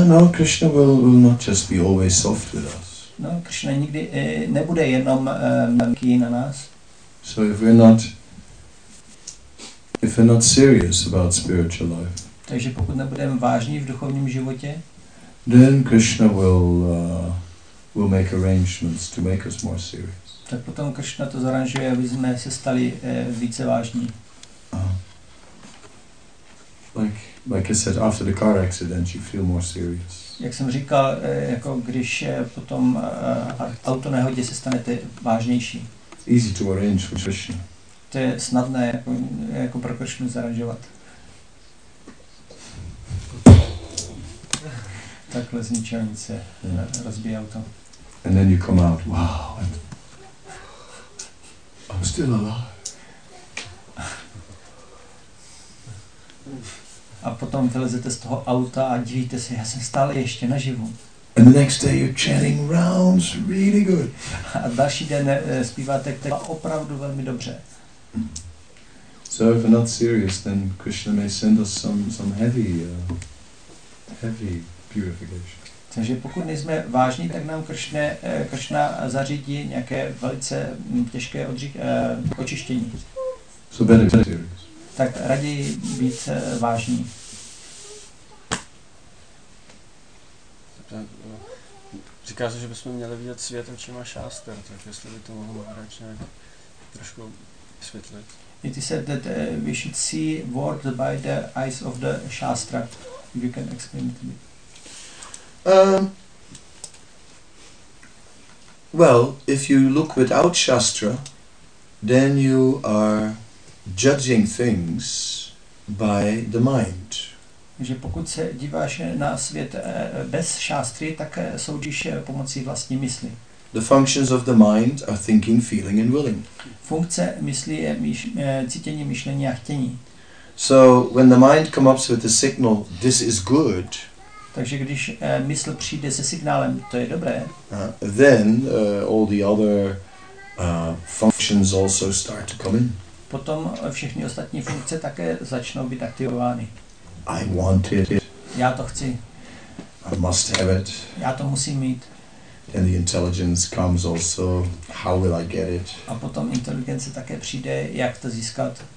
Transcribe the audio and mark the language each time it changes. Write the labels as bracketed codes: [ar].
[en] Krishna will not just be always soft with us. [cs] No, Krishna nikdy nebude jenom milý na nás. [en] So if we're not serious about spiritual life. [cs] Takže pokud nebudeme vážní v duchovním životě, [en] then Krishna will make arrangements to make us more serious. [cs] Tak potom Krishna to zaranžuje, aby jsme se stali více vážní. [en] Like I said, after the car accident, you feel more serious. [cs] Jak jsem říkal, jako když potom auto nehodě se stanete vážnější. [en] Easy to arrange for Krishna. [cs] To je snadné jako pro Krishnu zaranžovat. Takhle z ničeho nic se rozbije auto. [en] And then you come out, wow. I'm still alive. [cs] A potom vylezete z toho auta a dívíte se, já jsem stále ještě naživu. [en] And the next day you're chanting rounds really good. [cs] A další den zpíváte tak opravdu velmi dobře. [en] So if we're not serious, then Krishna may send us some heavy purification. [cs] Takže pokud nejsme vážní, tak nám Krishna zařídí nějaké velice těžké očištění. [en] So better be serious. [cs] Tak raději být vážní. Říká se, že bychom měli vidět svět očima šáster, tak jestli by to mohlo Maharaj nějak trošku vysvětlit. [en] It is said that we should see world by the eyes of the Shastra. If you can explain it to me. If you look without Shastra, then you are judging things by the mind. [cs] Že pokud se díváš na svět bez Shastry, tak soudíš pomocí vlastní mysli. [en] The functions of the mind are thinking, feeling and willing. [cs] Funkce mysli je cítění, myšlení a chtění. [en] So when the mind comes up with the signal, this is good. [cs] Takže když mysl přijde se signálem, to je dobré. [en] Then all the other functions also start to come in. [cs] Potom všechny ostatní funkce také začnou být aktivovány. [en] I wanted it. [cs] Já to chci. [en] I must have it. [cs] Já to musím mít. [en] Then the intelligence comes also. How will I get it? [cs] A potom inteligence také přijde, jak to získat.